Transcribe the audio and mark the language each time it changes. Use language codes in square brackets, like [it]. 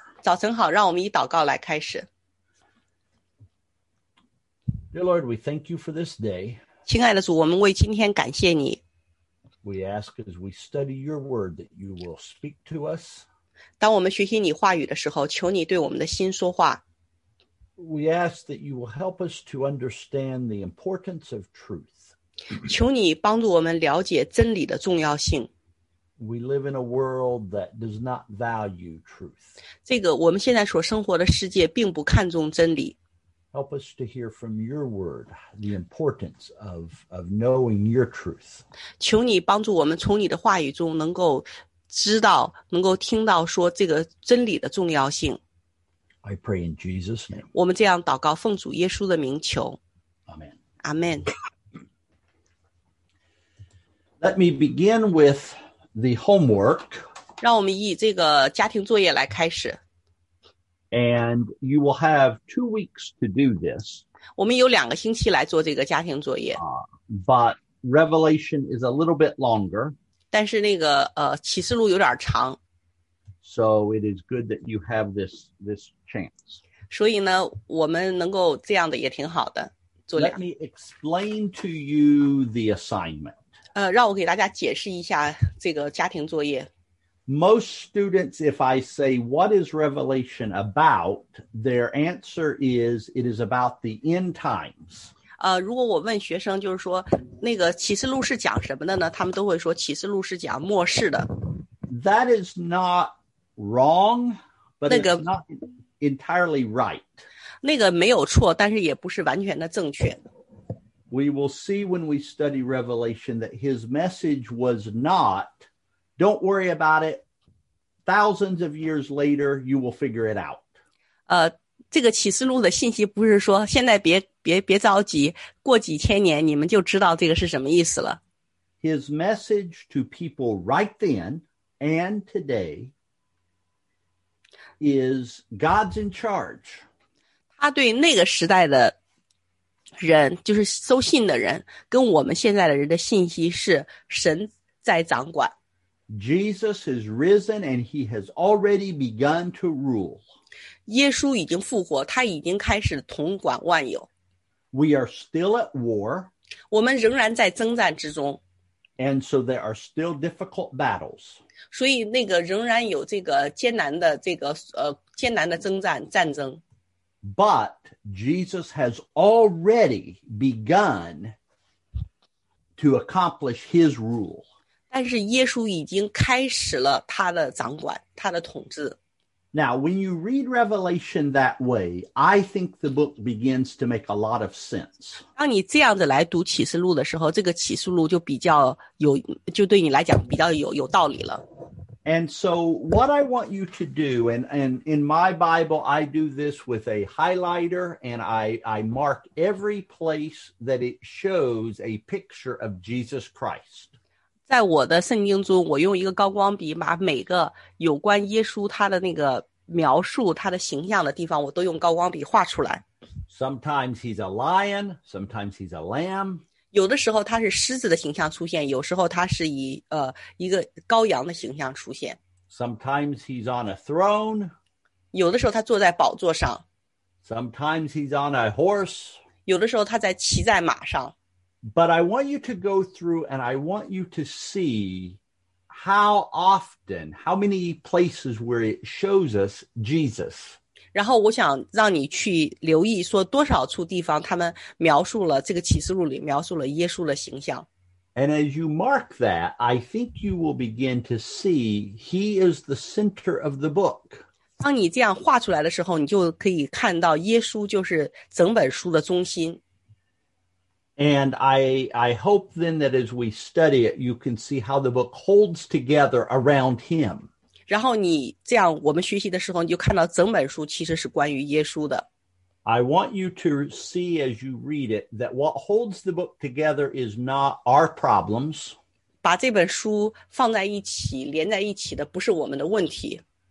[zh] 早晨好，让我们以祷告来开始。 [en] Dear Lord, we thank you for this day. [zh] 亲爱的主，我们为今天感谢你。 [en] We ask as we study your word that you will speak to us. [zh] 当我们学习你话语的时候，求你对我们的心说话。 [en] We ask that you will help us to understand the importance of truth. [zh] 求你帮助我们了解真理的重要性。 [en] We live in a world that does not value truth. [zh] 这个我们现在所生活的世界并不看重真理。 [en] Help us to hear from your word, the importance of knowing your truth. [zh] 求你帮助我们从你的话语中能够知道，能够听到说这个真理的重要性。 [en] I pray in Jesus' name. [zh] 我们这样祷告，奉主耶稣的名求。 [en] Amen. Amen. Let me begin with the homework. [zh] 让我们以这个家庭作业来开始。 [en] And you will have 2 weeks to do this. [zh] 我们有两个星期来做这个家庭作业。 [en] But Revelation is a little bit longer. [zh] 但是那个启示录有点长。 [en] So it is good that you have this chance. [zh] 所以呢，我们能够这样的也挺好的。 [en] Let me explain to you the assignment. [zh] 让我给大家解释一下这个家庭作业。 [en] Most students, if I say, what is Revelation about, their answer is, it is about the end times. [zh] 如果我问学生就是说那个启示录是讲什么的呢，他们都会说启示录是讲末世的。 [en] That is not wrong, but it's not entirely right. [zh] 那个没有错，但是也不是完全的正确。 [en] We will see when we study Revelation that his message was not Don't worry about it. Thousands of years later, you will figure it out. [zh] 这个启示录的信息不是说现在别着急，过几千年你们就知道这个是什么意思了。 [en] His message to people right then and today is God's in charge. [zh] 他对那个时代的人，就是收信的人，跟我们现在的人的信息是神在掌管。 [en] Jesus is risen and he has already begun to rule. [zh] 耶稣已经复活，他已经开始统管万有。 [en] We are still at war. [zh] 我们仍然在征战之中。 [en] And so there are still difficult battles. [zh] 所以那个仍然有这个艰难的这个艰难的征战战争。 [en] But Jesus has already begun to accomplish his rule. [zh] 但是耶稣已经开始了他的掌管，他的统治。 [en] Now, when you read Revelation that way, I think the book begins to make a lot of sense. [zh] 当你这样子来读启示录的时候，这个启示录就比较有，就对你来讲比较有道理了。 [en] And so, what I want you to do, and in my Bible, I do this with a highlighter, and I mark every place that it shows a picture of Jesus Christ. [zh] 在我的圣经中，我用一个高光笔把每个有关耶稣他的那个描述他的形象的地方，我都用高光笔画出来。 [en] Sometimes he's a lion, sometimes he's a lamb. [zh] 有的时候他是狮子的形象出现，有时候他是以一个羔羊的形象出现。 [en] Sometimes he's on a throne. [zh] 有的时候他坐在宝座上。 [en] Sometimes he's on a horse. [zh] 有的时候他在骑在马上。 [en] But I want you to go through and I want you to see how often, how many places where it shows us Jesus. [zh] 然后我想让你去留意说多少处地方他们描述了这个启示录里描述了耶稣的形象。 [en] And as you mark that, I think you will begin to see he is the center of the book. [zh] 当你这样画出来的时候，你就可以看到耶稣就是整本书的中心。 [en] And I hope then that as we study it, you can see how the book holds together around him. [zh] 然后你这样我们学习的时候，你就看到整本书其实是关于耶稣的。 [en] I want you to see as you read it that what holds the book together is not our problems. [zh] 把这本书放在一起，连在一起的不是我们的问题。